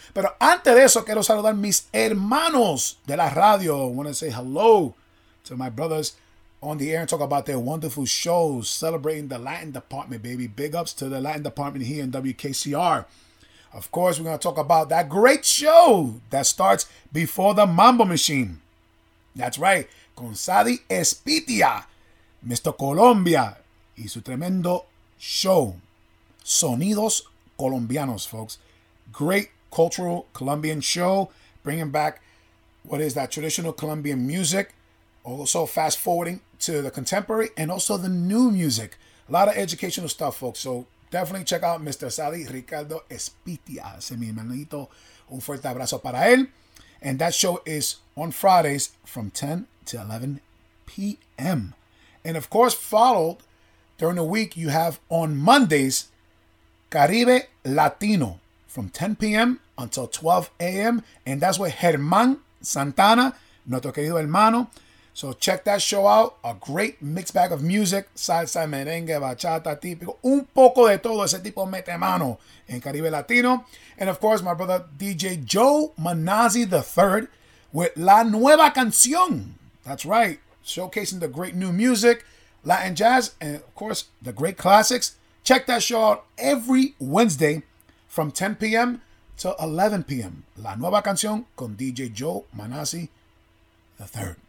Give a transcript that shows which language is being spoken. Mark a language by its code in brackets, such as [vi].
[es] Pero antes de eso, quiero saludar mis hermanos de la radio. [en] I want to say hello to my brothers on the air and talk about their wonderful shows celebrating the Latin Department, baby. Big ups to the Latin Department here in WKCR. Of course, we're going to talk about that great show that starts before the Mambo Machine. That's right. Con Sadi Espitia, Mr. [es] Colombia, y su tremendo show, Sonidos Colombianos, folks. [en] Great cultural Colombian show, bringing back what is that traditional Colombian music. Also fast forwarding to the contemporary and also the new music. A lot of educational stuff, folks. So definitely check out Mr. Sally Ricardo Espitia. [es] Ese mi hermanito, un fuerte abrazo para él. [en] And that show is on Fridays from 10 to 11 p.m. And of course, followed during the week, you have on Mondays, Caribe Latino from 10 p.m. until 12 a.m. And that's with Germán Santana, [es] nuestro querido hermano. [en] So check that show out. A great mixed bag of music. Salsa, merengue, bachata, típico. [es] Un poco de todo. Ese tipo mete mano en [en] Caribe Latino. And of course, my brother DJ Joe Manazzi III with La Nueva Canción. That's right. Showcasing the great new music, Latin jazz, and of course, the great classics. Check that show out every Wednesday from 10 p.m. to 11 p.m. [es] La Nueva Canción con DJ Joe Manazzi III.